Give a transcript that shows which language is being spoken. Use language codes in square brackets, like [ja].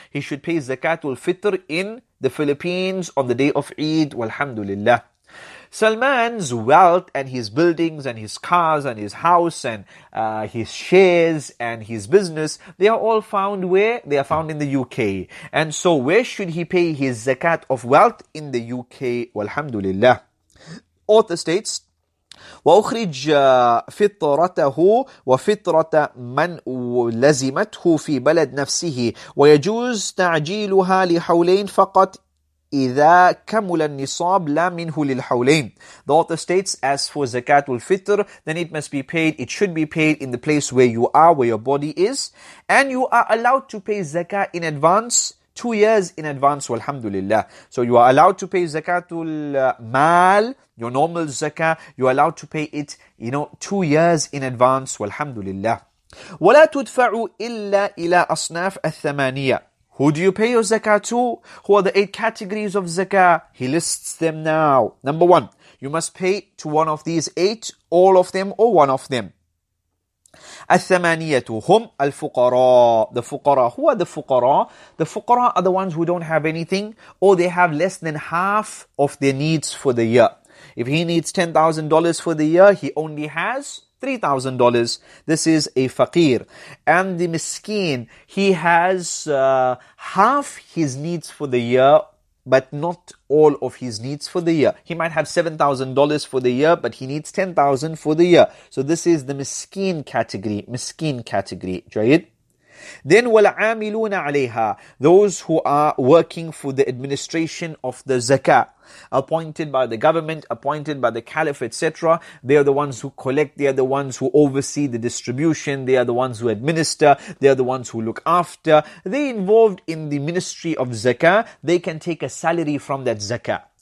[en] He should pay zakatul fitr in the Philippines on the day of Eid. Walhamdulillah. Salman's wealth and his buildings and his cars and his house and his shares and his business, they are all found where? They are found in the UK. And so where should he pay his zakat of wealth? In the UK. Walhamdulillah. Author states, [ar] وأخرج فطرته وفطرة من لزمته في بلد نفسه ويجوز تعجيلها لحولين فقط إذا كمل النصاب لا منه للحولين. [en] The author states, as for zakatul fitr, then it must be paid, it should be paid in the place where you are, where your body is, and you are allowed to pay zakat in advance, 2 years in advance, walhamdulillah. So you are allowed to pay zakatul mal, your normal zakat, you are allowed to pay it, you know, 2 years in advance, walhamdulillah. [ar] ولا تدفع إلا إلى أصناف الثمانية. [en] Who do you pay your zakah to? Who are the 8 categories of zakah? He lists them now. Number 1, you must pay to one of these 8, all of them or one of them. [ar] الثمانيه هم الفقراء. [en] The fuqara. Who are the fuqara? The fuqara are the ones who don't have anything, or they have less than half of their needs for the year. If he needs $10,000 for the year, he only has $3,000. This is a faqir. And the miskeen, he has half his needs for the year, but not all of his needs for the year. He might have $7,000 for the year, but he needs $10,000 for the year. So this is the miskeen category. Miskeen category. Jayid. Then [ar] والعاملون عليها, [en] those who are working for the administration of the zakah, appointed by the government, appointed by the caliph, etc. They are the ones who collect, they are the ones who oversee the distribution, they are the ones who administer, they are the ones who look after. They involved in the ministry of zakah, they can take a salary from that zakah.